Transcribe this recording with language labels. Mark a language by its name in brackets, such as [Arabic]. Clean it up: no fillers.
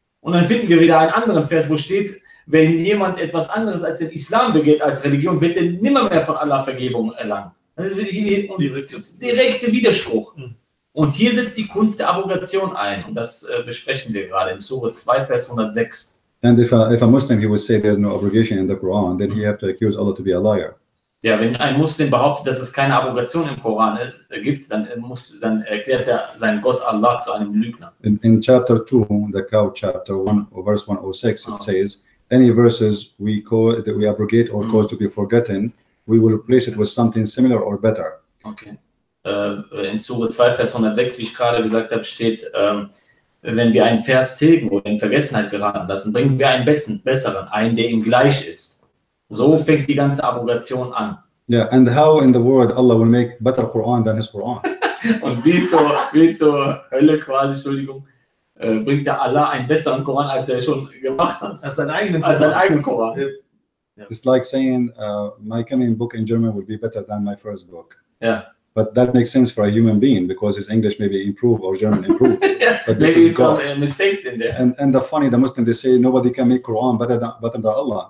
[German] Und dann finden wir wieder einen anderen Vers, wo steht, wenn jemand etwas anderes als den Islam begeht als Religion, wird er nimmermehr von Allah Vergebung erlangen. Also hier direkte Widerspruch. Und hier setzt die Kunst der Abrogation ein. Und das besprechen wir gerade in Sure 2, Vers 106. [English] And if a Muslim, he would say there's no abrogation in the Quran, then he have to accuse Allah to be a liar. [German] Ja, wenn ein Muslim behauptet, dass es keine Abrogation im Koran gibt, dann erklärt er seinen Gott Allah zu einem Lügner. [English] In chapter 2, the cow chapter 1, verse 106, it says, any verses we call that we abrogate or cause to be forgotten, we will replace it with something similar or better. Okay. [German] In Sure 2, Vers 106, wie ich gerade gesagt habe, steht, wenn wir einen Vers tilgen oder in Vergessenheit geraten lassen, bringen wir einen besseren, einen, der ihm gleich ist. So fängt die ganze Abrogation an. [English] Yeah, and how in the world Allah will make better Quran than his Quran? [German] Und wie zur Hölle quasi, Entschuldigung, bringt der Allah einen besseren Koran, als er schon gemacht hat. Als seinen eigenen Koran. [English] Yeah. It's like saying, my coming book in German will be better than my first book. Yeah. But that makes sense for a human being, because his English maybe improved or German improved. Yeah. But maybe some mistakes in there. And the funny, the Muslim, they say nobody can make Quran better than Allah.